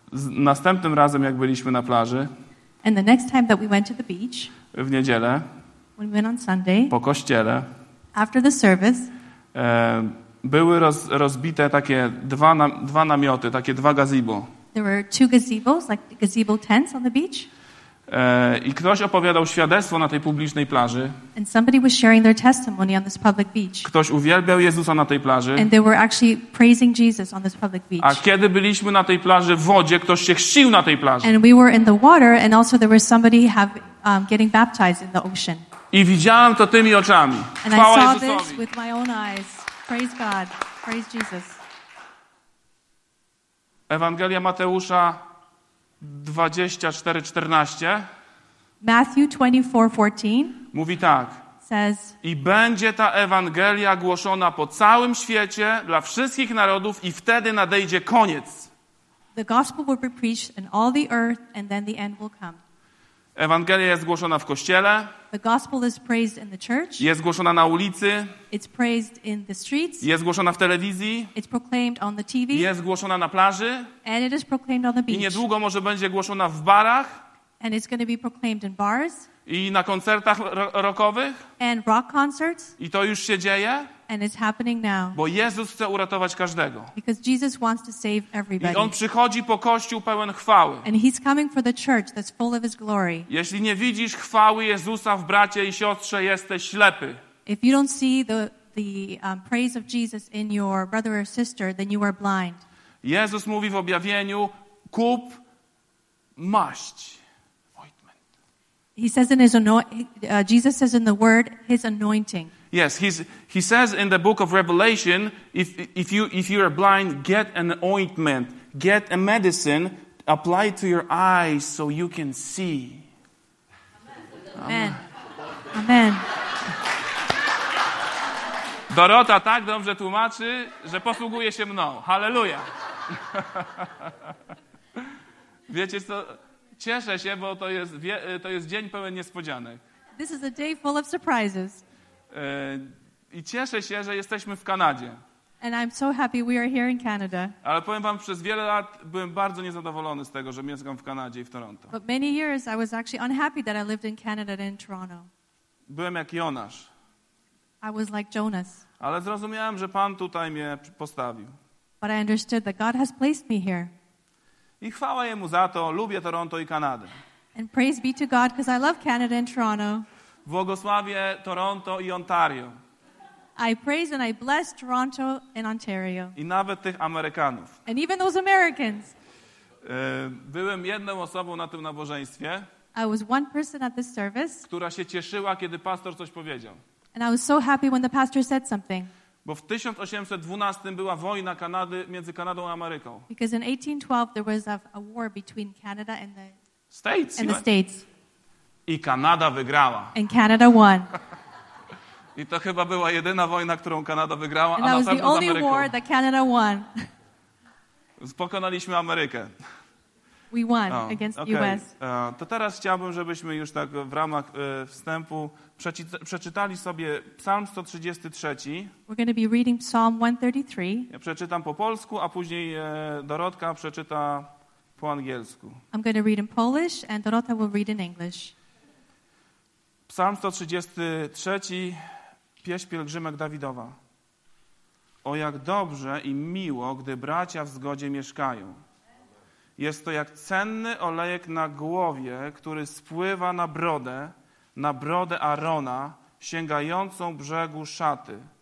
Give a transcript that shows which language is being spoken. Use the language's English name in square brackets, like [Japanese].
[Polish] Następnym razem, jak byliśmy na plaży. [English] And the next time that we went to the beach. [Polish] W niedzielę. [English] When we went on Sunday. [Polish] Po kościele. [English] After the service. [Polish] Były rozbite takie dwa namioty, takie dwa gazebo. [English] There were two gazebos, like gazebo tents on the beach. [Polish] I ktoś opowiadał świadectwo na tej publicznej plaży. [English] And somebody was sharing their testimony on this public beach. [Polish] Ktoś uwielbiał Jezusa na tej plaży. [English] And they were actually praising Jesus on this public beach. [Polish] A kiedy byliśmy na tej plaży w wodzie, ktoś się chrzcił na tej plaży. [English] And we were in the water and also there was somebody getting baptized in the ocean. [Polish] I widziałem to tymi oczami. [English] And [Polish] chwała [English] I saw [Polish] Jezusowi. [English] This with my own eyes. Praise God. Praise Jesus. [Polish] Ewangelia Mateusza 24:14. [English] Matthew 24:14. [Polish] Mówi tak. [English] Says, [Polish] i będzie ta Ewangelia głoszona po całym świecie dla wszystkich narodów i wtedy nadejdzie koniec. [English] The gospel will be preached in all the earth and then the end will come. [Polish] Ewangelia jest głoszona w kościele. [English] The gospel is praised in the church. [Polish] Jest głoszona na ulicy. [English] It's praised in the streets. [Polish] Jest głoszona w telewizji. [English] It's proclaimed on the TV. [Polish] Jest głoszona na plaży. [English] And it is proclaimed on the beach. [Polish] I niedługo może będzie głoszona w barach. [English] And it's going to be proclaimed in bars. [Polish] I na koncertach rockowych. [English] And rock concerts. [Polish] I to już się dzieje. [English] And it's happening now. [Polish] Bo Jezus chce uratować każdego. [English] Because Jesus wants to save everybody. [Polish] I on przychodzi po kościół pełen chwały. [English] And he's coming for the church that's full of his glory. [Polish] Jeśli nie widzisz chwały Jezusa w bracie i siostrze, jesteś ślepy. [English] If you don't see the praise of Jesus in your brother or sister, then you are blind. [Polish] Jezus mówi w objawieniu: kup maść. [English] Ointment. He says in his Jesus says in the word his anointing. Yes, he says in the book of Revelation, if you are blind, get an ointment, get a medicine, apply it to your eyes so you can see. Amen. Amen. Amen. [Polish] Dorota tak dobrze tłumaczy, że posługuje się mną. Hallelujah. Wiecie co? Cieszę się, bo to jest dzień pełen niespodzianek. [English] This is a day full of surprises. [Polish] I cieszę się, że jesteśmy w Kanadzie. [English] And I'm so happy we are here in Canada. [Polish] Ale powiem wam, przez wiele lat byłem bardzo niezadowolony z tego, że mieszkam w Kanadzie i w Toronto. [English] But many years I was actually unhappy that I lived in Canada and in Toronto. [Polish] Byłem jak Jonasz. [English] I was like Jonas. [Polish] Ale zrozumiałem, że Pan tutaj mnie postawił. [English] But I understood that God has placed me here. [Polish] I chwała Jemu za to, lubię Toronto i Kanadę. [English] And praise be to God because I love Canada and Toronto. [Polish] Błogosławię Toronto i Ontario. [English] I praise and I bless Toronto and Ontario. [Polish] I nawet tych Amerykanów. [English] And even those Americans. [Polish] Byłem jedną osobą na tym nabożeństwie. [English] I was one person at this service. [Polish] Która się cieszyła, kiedy pastor coś powiedział. [English] And I was so happy when the pastor said something. [Polish] Bo w 1812 była wojna Kanady między Kanadą a Ameryką. [English] Because in 1812 there was a war between Canada and the States. And the States. [Polish] I Kanada wygrała. [English] And Canada won. [Polish] I to chyba była jedyna wojna, którą Kanada wygrała, [English] and [Polish] a na pewno [English] only [Polish] z Ameryką. [English] War that Canada won. [Polish] Pokonaliśmy Amerykę. [English] We won against the US. [Polish] To teraz chciałbym, żebyśmy już tak w ramach wstępu przeczytali sobie Psalm 133. [English] We're going to be reading Psalm 133. [Polish] Ja przeczytam po polsku, a później Dorotka przeczyta po angielsku. [English] I'm going to read in Polish and Dorota will read in English. [Polish] Psalm 133, pieśń pielgrzymek Dawidowa. O jak dobrze i miło, gdy bracia w zgodzie mieszkają. Jest to jak cenny olejek na głowie, który spływa na brodę Arona, sięgającą brzegu szaty.